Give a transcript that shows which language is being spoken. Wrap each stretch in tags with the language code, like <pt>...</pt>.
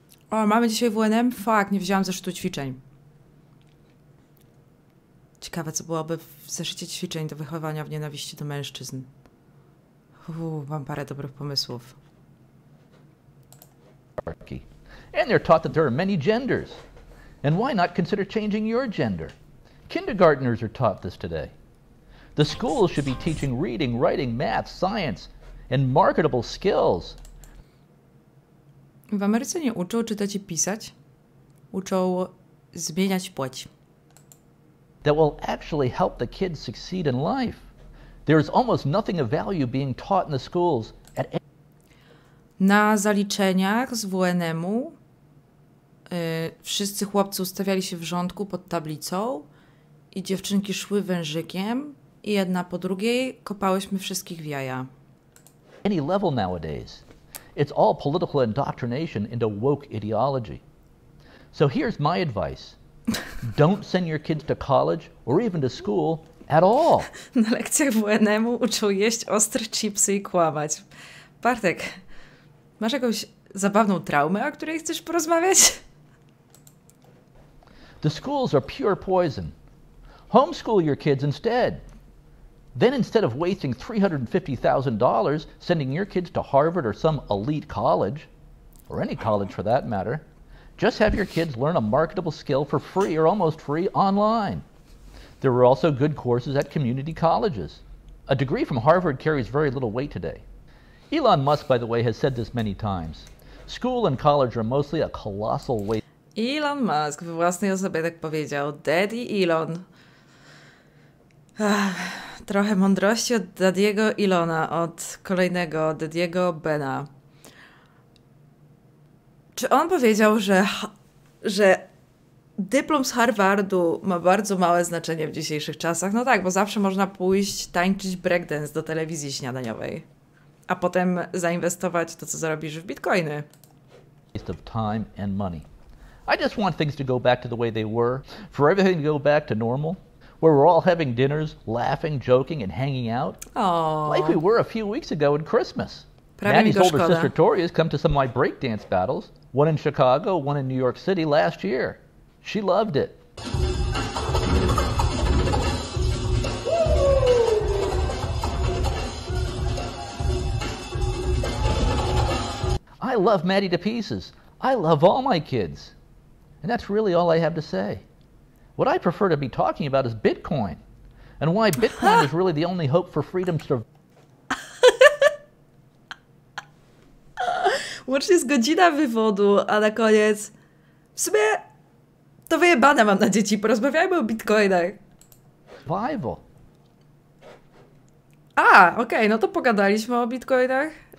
<pl>O, mamy dzisiaj WNM? Fuck, nie wzięłam zeszytu ćwiczeń. Ciekawe, co byłoby w zeszycie ćwiczeń do wychowania w nienawiści do mężczyzn. Mam parę dobrych pomysłów.</pl> <en>And they're taught that there are many genders. And why not consider changing your gender? Kindergarteners are taught this today. The schools should be teaching reading, writing, math, science, and marketable skills.</en> <pl>W Ameryce nie uczą czytać i pisać. Uczą zmieniać płeć.</pl> <en>That will actually help the kids succeed in life. There is almost nothing of value being taught in the schools at any...</en> <pl>na zaliczeniach z WNM-u wszyscy chłopcy ustawiali się w rządku pod tablicą i dziewczynki szły wężykiem i jedna po drugiej kopałyśmy wszystkich w jaja.</pl> <en>Any level nowadays. It's all political indoctrination into woke ideology. So here's my advice. Don't send your kids to college or even to school at all.</en> <pl>Na lekcjach WNM-u uczą jeść ostre chipsy i kłamać. Bartek, masz jakąś zabawną traumę, o której chcesz porozmawiać?</pl> <en>The schools are pure poison. Homeschool your kids instead. Then instead of wasting $350,000 sending your kids to Harvard or some elite college, or any college for that matter, just have your kids learn a marketable skill for free or almost free online. There are also good courses at community colleges. A degree from Harvard carries very little weight today. Elon Musk, by the way, has said this many times. School and college are mostly a colossal waste.</en> <pl>Elon Musk we własnej osobie tak powiedział. Daddy Elon. Trochę mądrości od Daddy'ego Elona, od kolejnego Daddy'ego Bena. Czy on powiedział, że dyplom z Harvardu ma bardzo małe znaczenie w dzisiejszych czasach? No tak, bo zawsze można pójść tańczyć breakdance do telewizji śniadaniowej, a potem zainwestować to, co zarobisz w bitcoiny.</pl> <en>Waste of time and money. I just want things to go back to the way they were, for everything to go back to normal, where we're all having dinners, laughing, joking, and hanging out. Aww. Like we were a few weeks ago at Christmas.</en> <pl>Prawie</pl> <en>Maddie's older</en> <pl>szkoda.</pl> <en>Sister Tori has come to some of my breakdance battles, one in Chicago, one in New York City last year. She loved it. I love Maddie to pieces. I love all my kids. And that's really all I have to say. What I prefer to be talking about is Bitcoin. And why Bitcoin is really the only hope for freedom to...</en> <pl>Łącznie jest godzina wywodu, a na koniec... W sumie... To wyjebane mam na dzieci, porozmawiajmy o Bitcoinach.</pl> <en>Survival.</en> <pl>A, okej, no to pogadaliśmy o Bitcoinach.</pl>